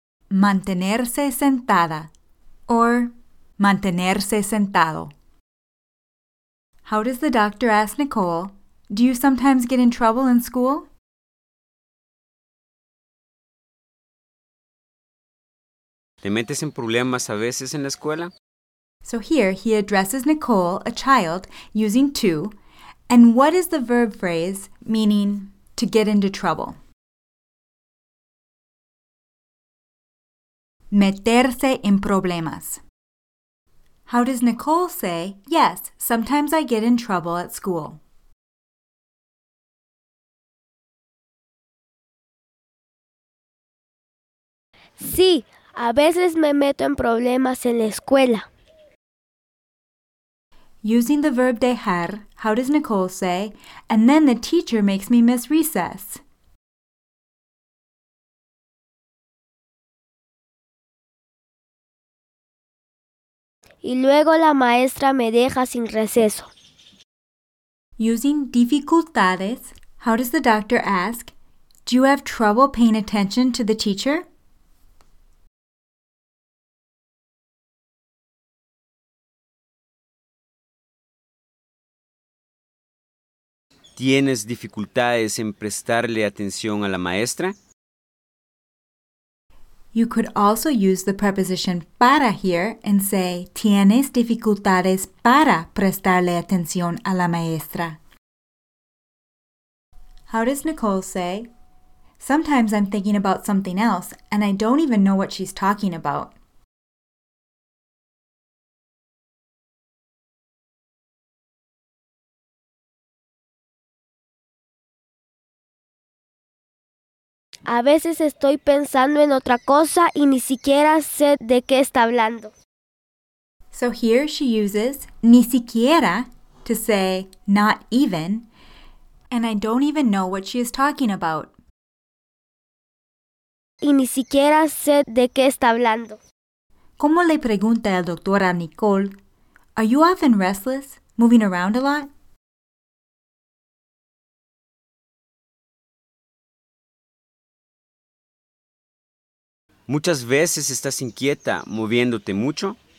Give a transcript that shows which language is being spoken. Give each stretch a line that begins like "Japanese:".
Spanish: Mantenerse sentada, or mantenerse sentado.
English: How does the doctor ask Nicole, do you sometimes get in trouble in school?
Spanish: ¿Te metes en problemas a veces en la escuela?
English: So here he addresses Nicole, a child, using to, and what is the verb phrase meaning to get into trouble?
Spanish: Meterse en problemas.
English: How does Nicole say, yes, sometimes I get in trouble at school?
Spanish: Sí, a veces me meto en problemas en la escuela.
English: Using the verb dejar, how does Nicole say, and then the teacher makes me miss recess?
Spanish: Y luego la maestra me deja sin receso.
English: Using dificultades, how does the doctor ask, do you have trouble paying attention to the teacher?
Spanish: ¿Tienes dificultades en prestarle atención a la maestra?
English: You could also use the preposition para here and say,
Spanish: ¿Tienes dificultades para prestarle atención a la maestra?
English: How does Nicole say, sometimes I'm thinking about something else and I don't even know what she's talking about.
Spanish: A veces estoy pensando en otra cosa y ni siquiera sé de qué está hablando.
English: So here she uses ni siquiera to say not even, and I don't even know what she is talking about.
Spanish: Y ni siquiera sé de qué está hablando. ¿Cómo le pregunta el doctor a Nicole?
English: Are you often restless, moving around a lot?
Spanish: Muchas veces estás inquieta, moviéndote mucho.